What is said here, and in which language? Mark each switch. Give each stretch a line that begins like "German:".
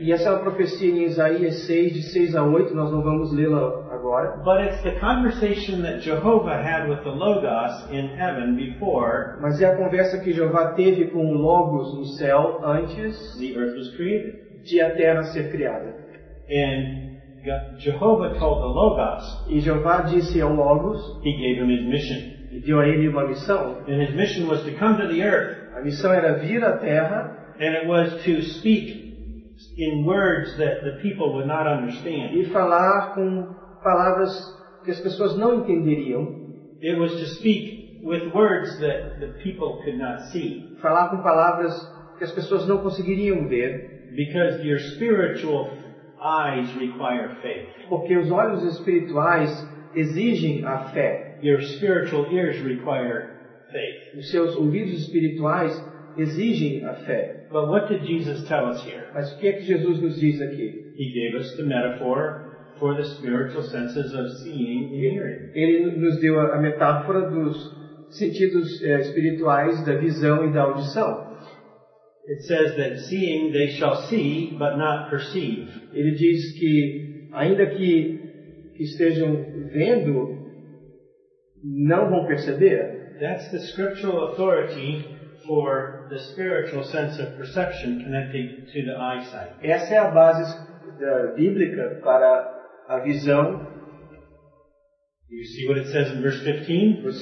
Portuguese: E essa é uma profecia em Isaías 6, de 6 a 8, nós não vamos lê-la agora.
English: But it's the conversation that Jehovah had with the Logos in heaven before.
Portuguese: Mas é a conversa que Jeová teve com o Logos no céu antes.
English: The earth was created.
Portuguese: De a terra ser criada.
English: And Jehovah told the Logos.
Portuguese: E Jeová disse ao Logos.
English: He gave him his mission.
Portuguese: E deu a ele uma missão.
English: And his mission was to come to the earth.
Portuguese: A missão era vir à terra.
English: And it was to speak in words that the people would not understand.
Portuguese: E falar com palavras que as pessoas não entenderiam.
English: It was to speak with words that the people could not see.
Portuguese: Falar com palavras que as pessoas não conseguiriam ver.
English: Because your spiritual eyes require faith.
Portuguese: Porque os olhos espirituais exigem a fé.
English: Your spiritual ears require faith.
Portuguese: Os seus ouvidos espirituais exigem a fé.
English: But what did Jesus tell us here?
Portuguese: Mas o que é que Jesus nos diz aqui?
English: He gave us the metaphor for the spiritual senses of seeing and hearing.
Portuguese: Ele nos deu a metáfora dos sentidos espirituais da visão e da audição.
English: It says that seeing they shall see, but not perceive.
Portuguese: Ele diz que ainda que estejam vendo, não vão perceber.
English: That's the scriptural authority for the spiritual sense of perception connecting to the eyesight.
Portuguese: Essa é a base bíblica para a visão.
English: You see what it says in verse 15?